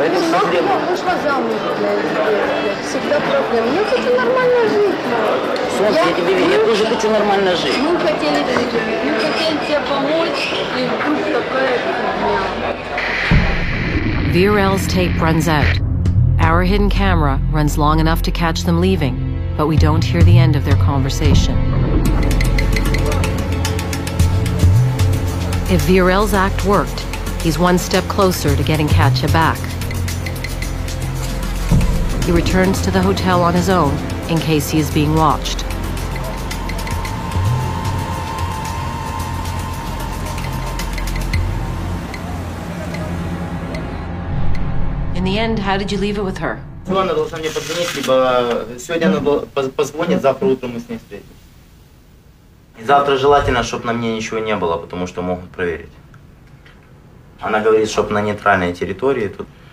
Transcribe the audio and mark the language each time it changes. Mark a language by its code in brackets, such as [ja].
[ru] это проблема. Я вышла замуж, блядь, всегда проблема. Мне хочу нормально жить. Солнце, я тебе верю, я тоже хочу нормально жить. Мы хотели жить, мы хотели тебе помочь, и вдруг такая проблема. [en] VRL's tape runs out. Our hidden camera runs long enough to catch them leaving, but we don't hear the end of their conversation. If VRL's act worked, he's one step closer to getting Katya back. He returns to the hotel on his own in case he is being watched. In the end, how did you leave it with her? [ru] Сегодня должна мне позвонить, либо сегодня она позвонит, завтра утром мы с ней встретимся. И завтра желательно, чтобы на мне ничего не было, потому что могут проверить. Она говорит, чтобы на нейтральной территории тут.